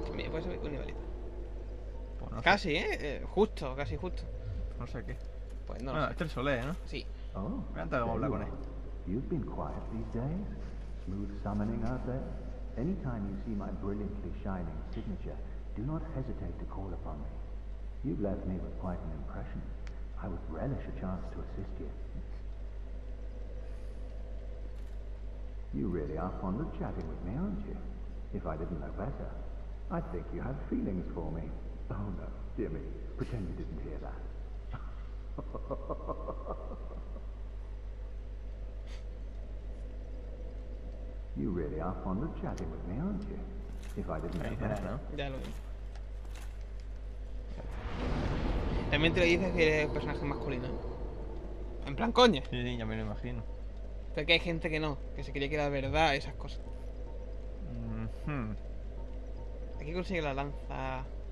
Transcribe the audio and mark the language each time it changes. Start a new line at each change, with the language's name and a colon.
Spanish: ¿Puedes subir un nivelito? Pues no sé. Casi, justo, casi justo. No sé qué. Pues no. Bueno, este es el Solé, ¿no? Sí. Oh, antes de hablar con él.
English: You've been quiet these days. Smooth summoning out there. Anytime you see my brilliantly shining signature, do not hesitate to call upon me. You've left me with quite an impression. I would relish a chance to assist you. You really are fond of chatting with me, aren't you? If I didn't know better, I think you have feelings for me. Oh no, dear me. Pretend you didn't hear that. You really are fond of chatting with me, aren't you? If I didn't know that,
Spanish: ya lo vi. También te lo dices que eres un personaje masculino. En plan, coña. Sí, sí, ya me lo imagino. Pero que hay gente que no, que se creía que era verdad esas cosas. Mm-hmm. Aquí consigue la lanza.